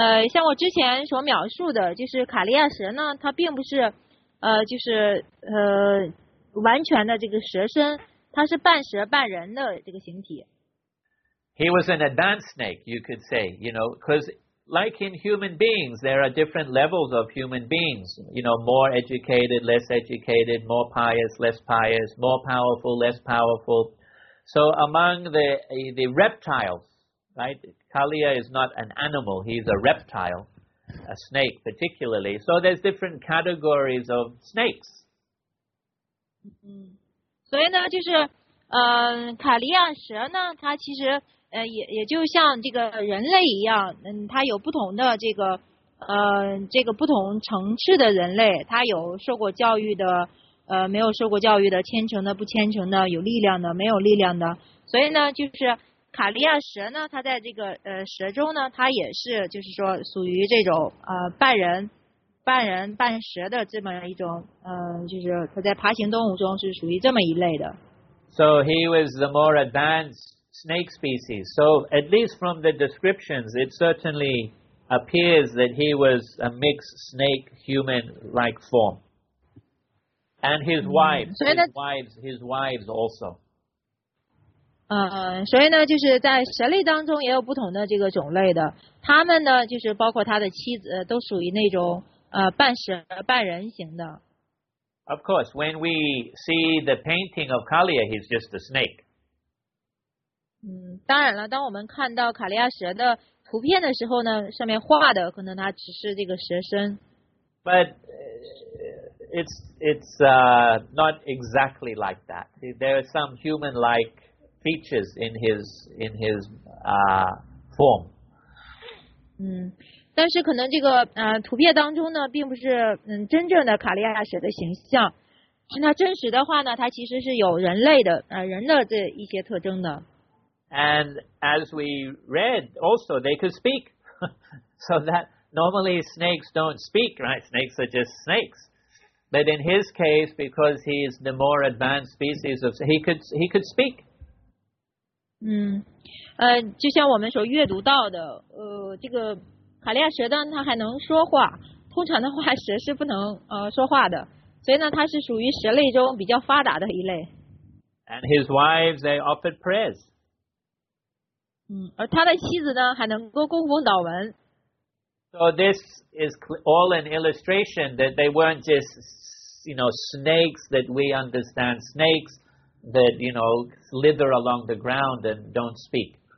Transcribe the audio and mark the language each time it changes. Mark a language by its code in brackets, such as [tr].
[zh] 像我之前所描述的，就是卡利亚蛇呢，它并不是完全的这个蛇身，它是半蛇半人的这个形体。 [en] He was an advanced snake, you could say, you know, because like in human beings, there are different levels of human beings, you know, more educated, less educated, more pious, less pious, more powerful, less powerful. So among the reptiles, right, Kaliya is not an animal, he's a reptile, a snake particularly. So there's different categories of snakes. [zh] 所以呢，就是卡利亚蛇呢，它其实也就像这个人类一样，它有不同的这个不同层次的人类，它有受过教育的，没有受过教育的，虔诚的，不虔诚的，有力量的，没有力量的。所以呢，就是卡利亚蛇呢，它在这个蛇中呢，它也是就是说属于这种半人半蛇的这么一种，就是它在爬行动物中是属于这么一类的。 [en] So he was the more advanced snake species. So at least from the descriptions, it certainly appears that he was a mixed snake-human-like form. And his wives, his wives also. [zh] 所以呢，就是在蛇类当中也有不同的这个种类的。他们呢，就是包括他的妻子，都属于那种半蛇半人型的。 [en] Of course, when we see the painting of Kaliya, he's just a snake. [zh] 当然了，当我们看到卡利亚蛇的图片的时候呢，上面画的可能它只是这个蛇身。 [en] But it's not exactly like that. There are some human-like features in his form. [zh] 但是可能这个图片当中呢，并不是真正的卡利亚舍的形象。那真实的话呢，它其实是有人类的人的这一些特征的。 [en] And as we read, also they could speak. So that normally snakes don't speak, right? Snakes are just snakes. But in his case, because he is the more advanced species of, he could speak. [zh] 就像我们所阅读到的，这个卡利亚蛇呢，它还能说话。通常的话，蛇是不能说话的。所以呢，它是属于蛇类中比较发达的一类。 [en] And his wives, they offered prayers. [zh] 而他的妻子呢，还能够供奉祷文。 [en] So this is all an illustration that they weren't just, you know, snakes that we understand, snakes that, you know, slither along the ground and don't speak.